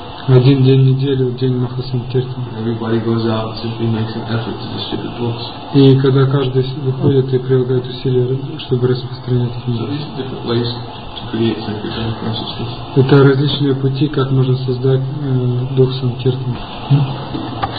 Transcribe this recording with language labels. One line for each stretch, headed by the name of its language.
Russian: Один день в неделю, день Махасанкиртан.
English: Everybody goes out and simply makes an effort to distribute books.
Russian: И когда каждый выходит и прилагает усилия, чтобы распространять книги.
English: So these are different ways to create sankirtan consciousness.
Russian: Это различные пути, как можно создать дух санкиртан.